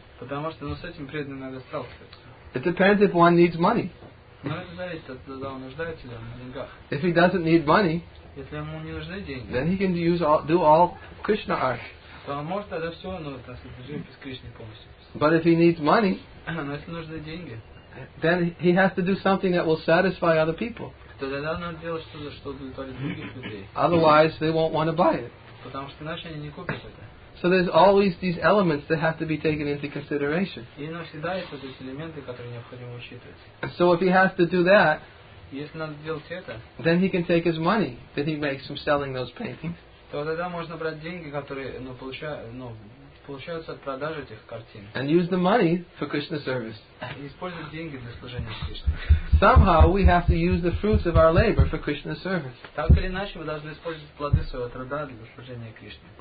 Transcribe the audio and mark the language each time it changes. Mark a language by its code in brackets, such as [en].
[ru] Потому что с этим преданным надо сталкиваться. [en] It depends if one needs money. [ru] Но это зависит от того, нуждается ли он в деньгах. [en] If he doesn't need money, [ru] если ему не нужны деньги, [en] then he can do all Krishna art. [ru] То он может тогда все, но это живопись Кришны полностью. [en] But if he needs money, [ru] но если нужны деньги, [en] then he has to do something that will satisfy other people. [ru] Тогда надо делать что-то, что удовлетворит других людей. [en] Otherwise, they won't want to buy it. [ru] Потому что иначе они не купят это. [en] So there's always these elements that have to be taken into consideration. And so if he has to do that, [ru] если надо делать это, [en] then he can take his money that he makes from selling those paintings. [ru] То тогда можно брать деньги, которые, ну, получаются от продажи этих картин. [en] And use the money for Krishna service. [ru] И использовать деньги для служения Кришне. [en] Somehow we have to use the fruits of our labor for Krishna service. [ru] Так или иначе, мы должны использовать плоды своего труда для служения Кришне.